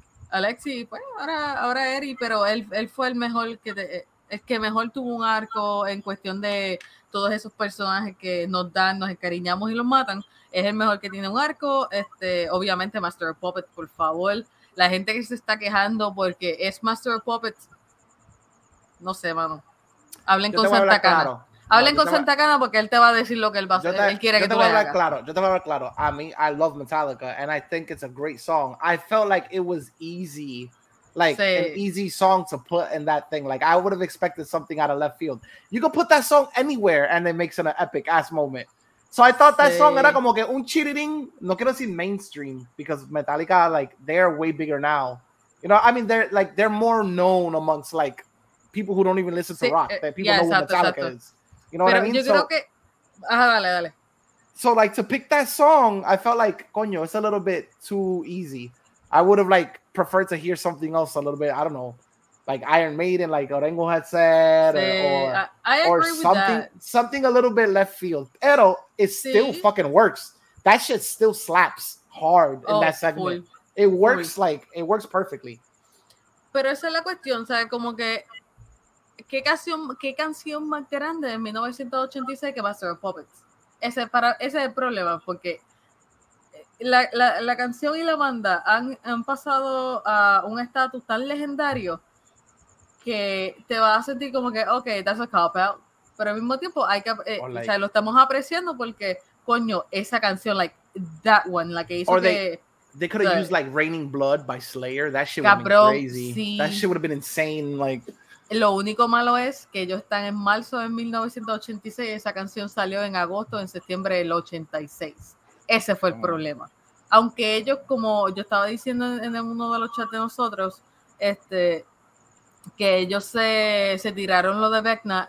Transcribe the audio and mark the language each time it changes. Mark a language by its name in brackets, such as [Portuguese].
[Spanish] Alexi, pues ahora Eddie, pero él fue el mejor el que mejor tuvo un arco en cuestión de todos esos personajes que nos dan, nos encariñamos y los matan. Es el mejor que tiene un arco. Obviamente Master of Puppets, por favor. La gente que se está quejando porque es Master of Puppets, no sé, mano. Hablen con Santa Cana. Claro. Hablen con Santa Cana porque él te va a decir lo que él va a hacer. Él quiere que tú le hagas. Claro, yo te voy a hablar claro. [English] I mean, I love Metallica and I think it's a great song. I felt like it was easy, an easy song to put in that thing. Like, I would have expected something out of left field. You could put that song anywhere and it makes an epic ass moment. So I thought that song [Spanish] era como que un [English] cheating. [Spanish] No quiero decir [English] mainstream because Metallica, like, they're way bigger now. You know, I mean, they're like, they're more known amongst like people who don't even listen to rock. That people know who Metallica is. You know what I mean? [Spanish] Yo creo que... Ajá, dale, dale. [English] So like to pick that song, I felt like coño, it's a little bit too easy. I would have like preferred to hear something else a little bit. I don't know, like Iron Maiden, like Orengo had said, or something a little bit left field. [Spanish] Pero [English] it still fucking works. That shit still slaps hard in that segment. Full. It works like it works perfectly. [Spanish] Pero esa es la cuestión, ¿sabes? Como que qué canción más grande de 1986 que va a ser Puppets. Ese es el problema, porque la canción y la banda han pasado a un estatus tan legendario que te vas a sentir como que, ok, [English] that's a cop-out. [Spanish] Pero al mismo tiempo, o sea, lo estamos apreciando porque, coño, esa canción, [English] like, that one, [Spanish] la que hizo que... [English] They could have used, like, Raining Blood by Slayer. That shit would have been crazy. [Spanish] Sí. [English] That shit would have been insane, like... [Spanish] Lo único malo es que ellos están en marzo de 1986 y esa canción salió en agosto, en septiembre del 86. Ese fue el problema. Aunque ellos, como yo estaba diciendo en uno de los chats de nosotros, que ellos se tiraron lo de Vecna.